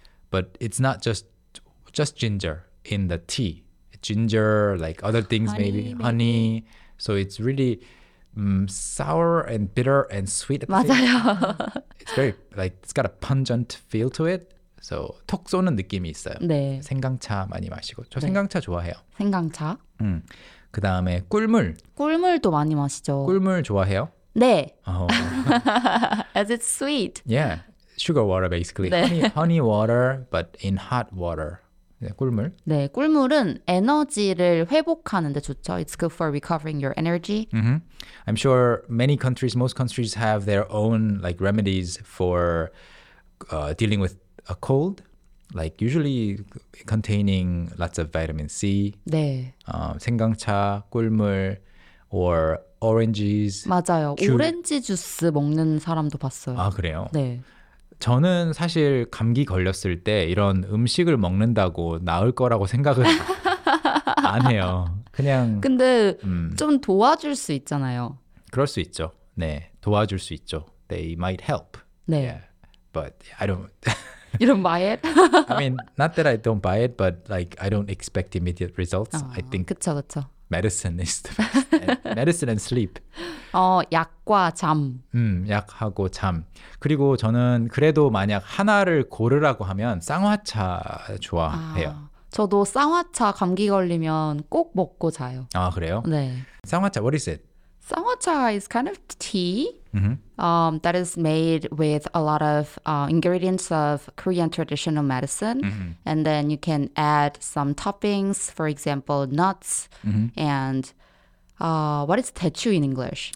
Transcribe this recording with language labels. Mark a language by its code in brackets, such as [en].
[en] But it's not just ginger in the tea. Ginger, like other things, honey. So it's really sour and bitter and sweet. [ko] 맞아요. [en] It's very, like, it's got a pungent feel to it. [ko] So 톡 쏘는 느낌이 있어요. 네. 생강차 많이 마시고. 저 네. 생강차 좋아해요. 생강차. 그 다음에 꿀물. 꿀물도 많이 마시죠. 꿀물 좋아해요? [en] 네. As it's sweet. Yeah. Sugar water basically. 네. Honey water, but in hot water. 네, 꿀물. [ko] 네, 꿀물은 에너지를 회복하는 데 좋죠. [en] It's good for recovering your energy. I'm sure many countries, most countries have their own like remedies for dealing with a cold. Like usually containing lots of vitamin C. [ko] 네. [en] 생강차, 꿀물, or oranges. [ko] 맞아요. 오렌지 주스 먹는 사람도 봤어요. 아, 그래요? 네. 저는 사실 감기 걸렸을 때 이런 음식을 먹는다고 나을 거라고 생각을 안 해요. 그냥. 근데 좀 도와줄 수 있잖아요. 그럴 수 있죠. 네. 도와줄 수 있죠. [en] They might help. [ko] 네. [en] Yeah. But I don't. You don't buy it? I mean, not that I don't buy it, but like I don't expect immediate results. [ko] 그쵸, 그쵸. [en] medicine is the best. medicine and sleep. [ko] 약과 잠. 약하고 잠. 그리고 저는 그래도 만약 하나를 고르라고 하면 쌍화차 좋아해요. 저도 쌍화차 감기 걸리면 꼭 먹고 자요. 아, 그래요? 네. [en] 쌍화차, what is it? 쌍화차 is kind of tea that is made with a lot of ingredients of Korean traditional medicine. Mm-hmm. And then you can add some toppings, for example, nuts and what is 대추 in English?